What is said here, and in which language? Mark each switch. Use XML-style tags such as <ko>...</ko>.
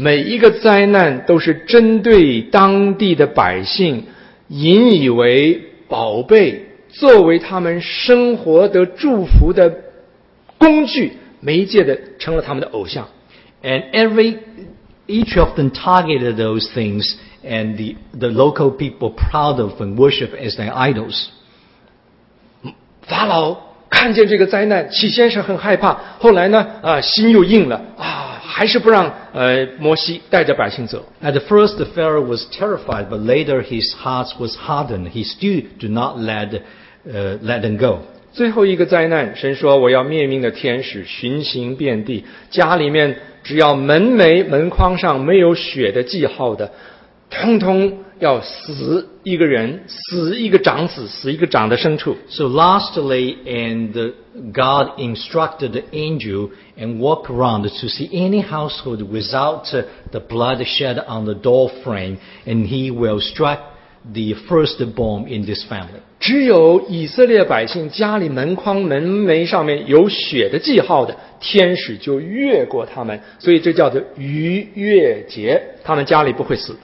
<zh>每一个灾难都是针对当地的百姓，引以为宝贝，作为他们生活的祝福的工具、媒介的，成了他们的偶像。</zh> <en>And each of them targeted those things, and the local people proud of and worship as their idols。</en> <zh>法老。看见这个灾难，起先是很害怕，后来呢，心又硬了，还是不让摩西带着百姓走。</zh> <en>At first, the Pharaoh was terrified, but later his heart was hardened. He still did not let them go.</en> <zh>最后一个灾难，神说我要灭命的天使巡行遍地，家里面只要门框上没有血的记号的，通通要死一个人，死一个长子，死一个长的牲畜。</zh> <en>So lastly, and God instructed the angel and walk around to see any household without the blood shed on the door frame, and he will strike the firstborn in this family.</en> <zh>只有以色列百姓家里门框门楣上面有血的记号的，天使就越过他们，所以这叫做逾越节，他们家里不会死。</zh>